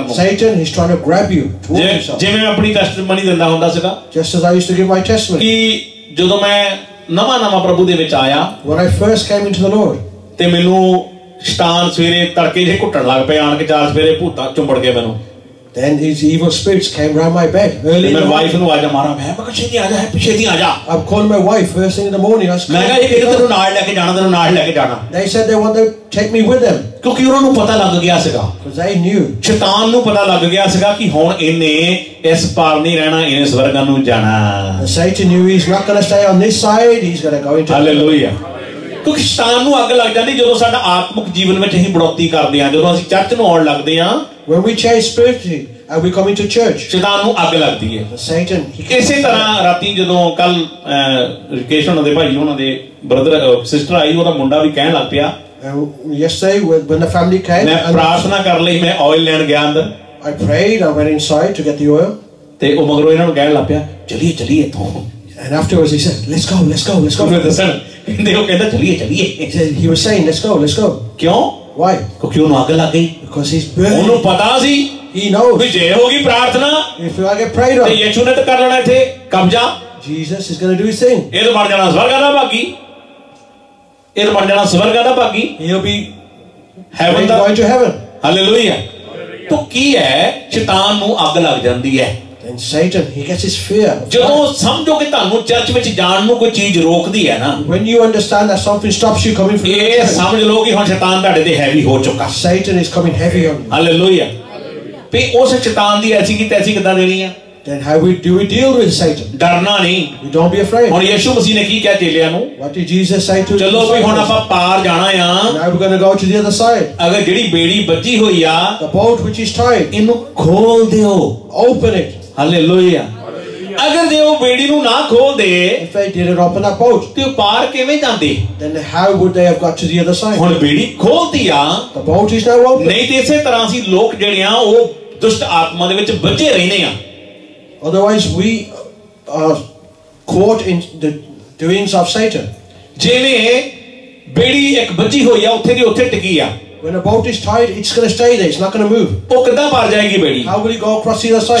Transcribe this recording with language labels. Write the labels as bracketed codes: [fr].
[en] ਨੂੰ ਸੈਟਨ ਹੀ is trying to grab you [pa] ਜਿਵੇਂ ਆਪਣੀ ਟੈਸਟਮਨੀ ਦਿੰਦਾ ਹੁੰਦਾ ਸੀਗਾ [en] just as I used to give my testimony [pa] ਕਿ ਜਦੋਂ ਮੈਂ ਨਵਾਂ ਪ੍ਰਭੂ ਦੇ ਵਿੱਚ ਆਇਆ [en] one I first came into the Lord [pa] ਤੇ ਮੈਨੂੰ ਸ਼ਤਾਨ ਸਵੇਰੇ ਤੜਕੇ ਜੇ ਘੁੱਟਣ ਲੱਗ ਪਏ ਆਣ ਕੇ ਚਾਰ ਸਵੇਰੇ ਭੂਤਾਂ ਚੁੰਬੜ ਗਏ ਮੈਨੂੰ [en] then these evil spirits came around my bed early [pa] ਮੈਂ ਵਾਈਫ ਨੂੰ ਆਜਾ ਮਾਰਾਂ ਮੈਂ ਬਕਾ ਛੇਤੀ ਆਜਾ ਹੈ ਪਿਛੇ ਦੀ ਆਜਾ [en] ਅਬ call my wife first in the morning as [pa] ਮੈਂ ਕਿਹਾ ਇਹ ਤੈਨੂੰ ਨਾਲ ਲੈ ਕੇ ਜਾਣਾ ਤੈਨੂੰ ਨਾਲ ਲੈ ਕੇ ਜਾਣਾ [en] they said they want to take me with them [pa] ਕਿਉਂਕਿ ਉਹਨਾਂ ਨੂੰ ਪਤਾ ਲੱਗ ਗਿਆ ਸੀਗਾ [en] because I knew [pa] ਸ਼ੈਤਾਨ ਨੂੰ ਪਤਾ ਲੱਗ ਗਿਆ ਸੀਗਾ ਕਿ ਹੁਣ ਇਹਨੇ ਇਸ ਪਾਰ ਨਹੀਂ ਰਹਿਣਾ ਇਹਨੇ ਸਵਰਗਾਂ ਨੂੰ ਜਾਣਾ [en] Satan knew he's not going to stay on this side he's going to go into [pa] hallelujah ਕਿਉਂਕਿ ਸ਼ੈਤਾਨ ਨੂੰ ਅੱਗ ਲੱਗ ਜਾਂਦੀ ਜਦੋਂ ਸਾਡਾ ਆਤਮਿਕ ਜੀਵਨ ਵਿੱਚ ਅਸੀਂ ਬੜੋਤੀ ਕਰਦੇ ਹਾਂ ਜਦੋਂ ਅਸੀਂ ਚਰਚ ਨੂੰ ਆਉਣ ਲੱਗਦੇ ਹਾਂ [en] when we chase spiritually and we come into church [pa] ਸ਼ੈਤਾਨ ਨੂੰ ਅੱਗ ਲੱਗਦੀ ਹੈ [en] Satan [pa] ਇਸੇ ਤਰ੍ਹਾਂ ਰਾਤੀ ਜਦੋਂ ਕੱਲ ਰਿਕੇਸ਼ ਉਹਨਾਂ ਦੇ ਭਾਈ ਉਹਨਾਂ ਦੇ ਬ੍ਰਦਰ ਸਿਸਟਰ ਆਈ ਉਹਦਾ ਮੁੰਡਾ ਵੀ ਕਹਿਣ ਲੱਗ ਪਿਆ [en] yesterday when the family came [pa] ਮੈਂ ਪ੍ਰਾਰਥਨਾ ਕਰ ਲਈ ਮੈਂ oil ਲੈਣ ਗਿਆ ਅੰਦਰ [en] I prayed I went inside to get the oil [pa] ਤੇ ਉਹ ਮਗਰੋਂ ਇਹਨਾਂ ਨੂੰ ਕਹਿਣ ਲੱਗ ਪਿਆ ਚਲੀਏ ਚਲੀਏ ਇਥੋਂ [en] and afterwards he said let's go [pa] ਉਹ ਕਹਿੰਦਾ ਚਲੀਏ ਚਲੀਏ [en] he was saying let's go [pa] ਕਿਉਂ [en] Why? [pa] ਕਿਉਂਕਿ ਉਹਨੂੰ ਅੱਗ ਲੱਗ ਗਈ. [en] Because he's burning. [pa] ਉਹਨੂੰ ਪਤਾ ਸੀ. [en] He knows. [pa] ਵੀ ਜੇ ਹੋ ਗਈ ਪ੍ਰਾਰਥਨਾ. [en] If you get prayed on. [pa] ਤੇ ਯਿਸੂ ਨੇ ਤਾਂ ਕਰ ਲੈਣਾ ਇੱਥੇ ਕਬਜ਼ਾ. [en] Jesus is going to do his thing. [pa] ਇਹ ਤਾਂ ਬਣ ਜਾਣਾ ਸਵਰਗ ਦਾ ਭਾਗੀ. ਇਹ ਤਾਂ ਬਣ ਜਾਣਾ ਸਵਰਗ ਦਾ ਭਾਗੀ. [en] He'll be heaven. He's going to heaven. [pa] Hallelujah. ਤੋ ਕੀ ਹੈ ਸ਼ੈਤਾਨ ਨੂੰ ਅੱਗ ਲੱਗ ਜਾਂਦੀ ਹੈ. [en] Then Satan, he gets his fear. [pa] ਜਦੋਂ ਸਮਝੋ ਕਿ ਤੁਹਾਨੂੰ ਚਰਚ ਵਿੱਚ ਜਾਣ ਨੂੰ ਕੋਈ ਚੀਜ਼ ਰੋਕਦੀ ਹੈ ਨਾ. [en] When you understand that something stops you coming from [pa] here, ਸਮਝ ਲਓ ਕਿ ਹੁਣ ਸ਼ੈਤਾਨ ਤੁਹਾਡੇ ਤੇ ਹੈਵੀ ਹੋ ਚੁੱਕਾ. [en] Satan is coming heavy on you. [pa] Hallelujah. ਵੀ ਉਸ ਸ਼ੈਤਾਨ ਦੀ ਐਸੀ ਕੀ ਤੈਸੀ ਕਿੱਦਾਂ ਦੇਣੀ ਆ. [en] Then how do we deal with Satan? [pa] ਡਰਨਾ ਨਹੀਂ. [en] We don't be afraid. [pa] ਹੁਣ ਯਿਸੂ ਮਸੀਹ ਨੇ ਕੀ ਕਿਹਾ ਚੇਲਿਆਂ ਨੂੰ? [en] What did Jesus say to them? [pa] ਚਲੋ ਵੀ ਹੁਣ ਆਪਾਂ ਪਾਰ ਜਾਣਾ ਆ. [en] Now we're going to go to the other side. [pa] ਅਗਰ ਜਿਹੜੀ ਬੇੜੀ ਬੱਜੀ ਹੋਈ ਆ, [en] the boat which is tied, [pa] ਇਹਨੂੰ ਖੋਲ ਦਿਓ. [en] Open it. [pa] Hallelujah. ਅਗਰ ਜੇ ਉਹ ਬੇੜੀ ਨੂੰ ਨਾ ਖੋਲਦੇ, [en] if they didn't open that boat, [pa] ਤੇ ਉਹ ਪਾਰ ਕਿਵੇਂ ਜਾਂਦੇ? [en] Then how would they have got to the other side? [pa] ਹੁਣ ਬੇੜੀ ਖੋਲਦੀ ਆ, [en] the boat is now open. [pa] ਨਹੀਂ ਤੇ ਇਸੇ ਤਰ੍ਹਾਂ ਸੀ ਲੋਕ ਜਿਹੜੇ ਆ ਉਹ ਦੁਸ਼ਟ ਆਤਮਾ ਦੇ ਵਿੱਚ ਬੱਝੇ ਰਹਿੰਦੇ ਆ. [en] Otherwise we are caught in the doings of Satan. [pa] Jeve beedi ek bachi hoyi hai utthe di utthe tiki hai. [en] When a boat is tied, it's going to stay there. It's not going to move. [pa] Oh, kitna par jayegi beedi? [en] How will it go across the other side?